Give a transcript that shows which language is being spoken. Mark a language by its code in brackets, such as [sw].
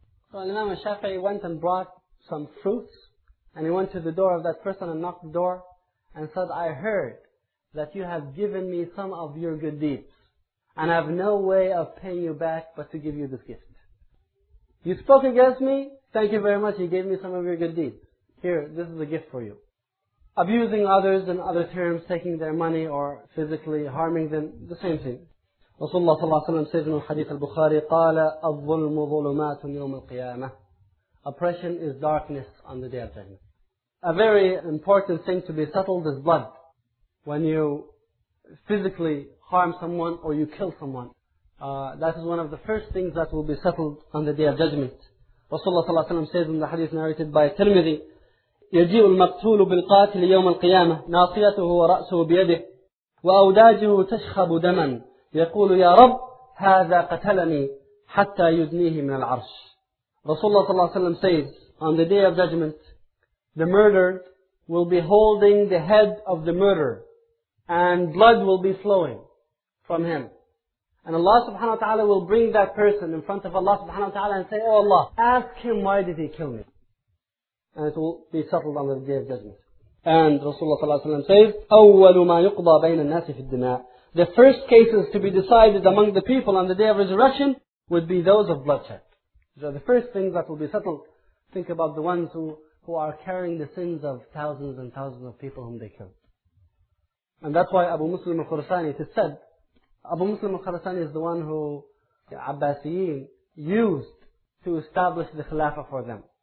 [en] So Imam al-Shafi'i went and brought some fruits, and he went to the door of that person and knocked the door and said, I heard that you have given me some of your good deeds, and I have no way of paying you back but to give you this gift. You spoke against me, thank you very much, you gave me some of your good deeds. Here, this is a gift for you. Abusing others in other terms, taking their money or physically harming them, the same thing. [ar] Rasulullah صلى الله عليه وسلم [en] says in Hadith al-Bukhari, [ar] قَالَ الظُّلْمُ ظُلُمَاتٌ يَوْمِ الْقِيَامَةِ. [en] Oppression is darkness on the Day of Judgment. A very important thing to be settled is blood. When you physically harm someone or you kill someone, that is one of the first things that will be settled on the Day of Judgment. [ar] Rasulullah صلى الله عليه وسلم [en] says in the Hadith narrated by Tirmidhi, [ar] يَجِيءُ الْمَقْتُولُ بِالْقَاتِلِ يَوْمَ الْقِيَامَةِ نَاصِيَتُهُ وَرَأْسُهُ بِيَدِهِ وَأَوْدَاجُهُ تَشْخَبُ دَمًا يَقُولُ يَا رَبْ هَذَا قَتَلَنِي حَتَّى يُدْنِيهِ مِنَ الْعَرْشِ. [en] Rasulullah صلى الله عليه وسلم says, on the Day of Judgment, the murdered will be holding the head of the murderer, and blood will be flowing from him. And Allah subhanahu wa ta'ala will bring that person in front of Allah subhanahu wa ta'ala and say, oh Allah, ask him why did he kill me? And it will be settled on the Day of Judgment. And Rasulullah ﷺ says, [ar] أَوَّلُ مَا يُقْضَى بَيْنَ النَّاسِ فِي الدِّمَاءِ. [en] The first cases to be decided among the people on the Day of Resurrection would be those of bloodshed. So the first things that will be settled, think about the ones who are carrying the sins of thousands and thousands of people whom they killed. And that's why Abu Muslim al-Khurasani, it is said, Abu Muslim al-Khurasani is the one who the Abbasiyin used to establish the Khilafah for them.